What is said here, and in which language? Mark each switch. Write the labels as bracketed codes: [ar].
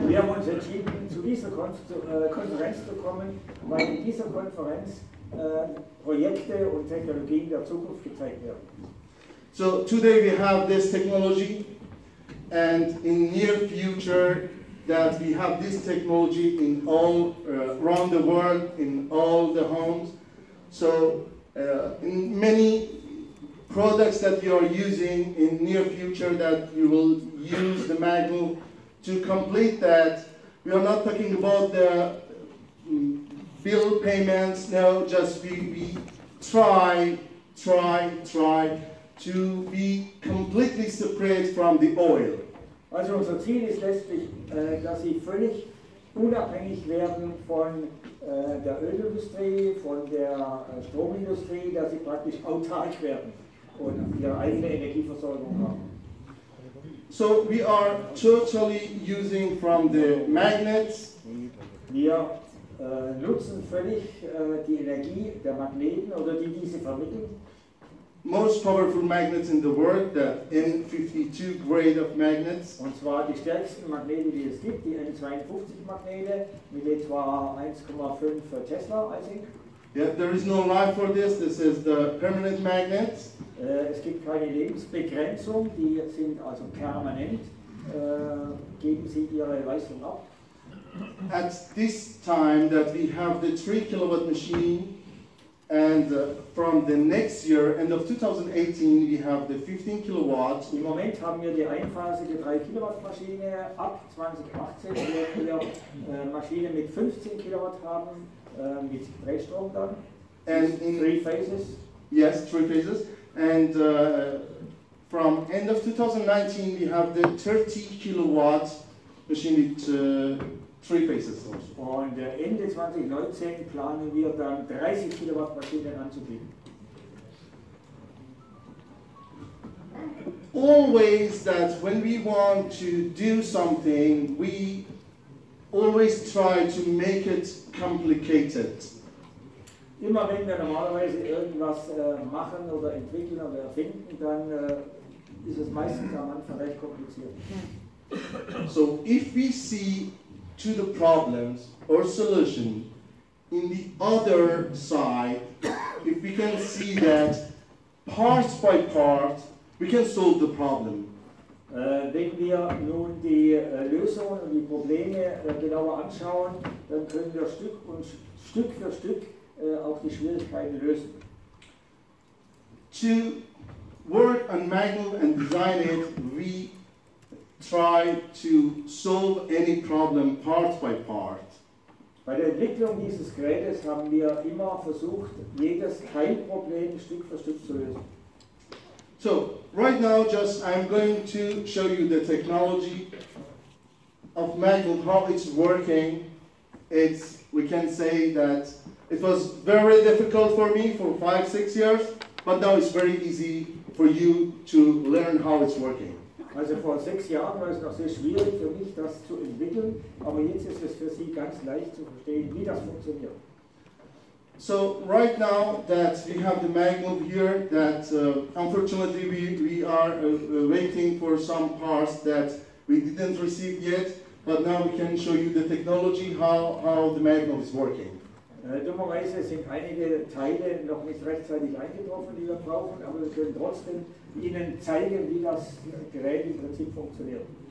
[de] Wir haben uns entschieden, zu dieser Konferenz zu kommen, weil in dieser Konferenz Projekte und Technologien der Zukunft gezeigt werden. [en] So today we have this technology, and in near future that we have this technology in all around the world, in all the homes. So in many products that you are using in near future that you will use the Magmov to complete that, we are not talking about the bill payments, no, just we try to be completely separate from the oil. [de] Also unser Ziel ist letztlich, dass sie völlig unabhängig werden von der Ölindustrie, von der Stromindustrie, dass sie praktisch autark werden und ihre eigene Energieversorgung haben. [en] So we are totally using from the magnets. [de] Wir nutzen völlig die Energie der Magneten oder die diese vermitteln. [en] Most powerful magnets in the world, the N52 grade of magnets. [de] Und zwar die stärksten Magnete, die es gibt, die N52 Magnete, mit etwa 1,5 Tesla, [en] I think. Yeah, there is no life for this. This is the permanent magnets. [de] Es gibt keine Lebensbegrenzung. Die sind also permanent. Geben Sie Ihre Leistung ab. [en] At this time that we have the 3 kilowatt machine, and from the next year, end of 2018, we have the 15 kilowatt. [de] Im Moment haben wir die einphasige 3 kilowatt Maschine. Ab 2018 werden wir Maschine mit 15 kilowatt haben, mit Drehstrom dann. [en] And in three phases. Yes, three phases. And from end of 2019, we have the 30 kilowatt machine with three phases also. [de] Und Ende 2019 planen wir dann 30 kilowatt Maschinen anzubieten. [en] Always that when we want to do something, we always try to make it complicated. [de] Immer wenn wir normalerweise irgendwas machen oder entwickeln oder erfinden, dann ist es meistens am Anfang recht kompliziert. [en] So, if we see to the problems or solution in the other side, if we can see that part by part, we can solve the problem. [de] Wenn wir nun die Lösungen und die Probleme genauer anschauen, dann können wir Stück und Stück für Stück auch die Schwierigkeiten lösen. [en] To work on Magmov and design it, we try to solve any problem part by part. [de] Bei der Entwicklung dieses Gerätes haben wir immer versucht, jedes Teilproblem Stück für Stück zu lösen. [en] So, right now just I'm going to show you the technology of Magmov, how it's working. It's, we can say that it was very difficult for me for 5-6 years, but now it's very easy for you to learn how it's working. [de] Also vor 6 Jahren war es noch sehr schwierig für mich, das zu entwickeln, aber jetzt ist es für Sie ganz leicht zu verstehen, wie das funktioniert. [en] So, right now that we have the Magmov here, that unfortunately we are waiting for some parts that we didn't receive yet, but now we can show you the technology, how the Magmov is working. [de] Dummerweise sind einige Teile noch nicht rechtzeitig eingetroffen, die wir brauchen, aber wir können trotzdem Ihnen zeigen, wie das Gerät im Prinzip funktioniert.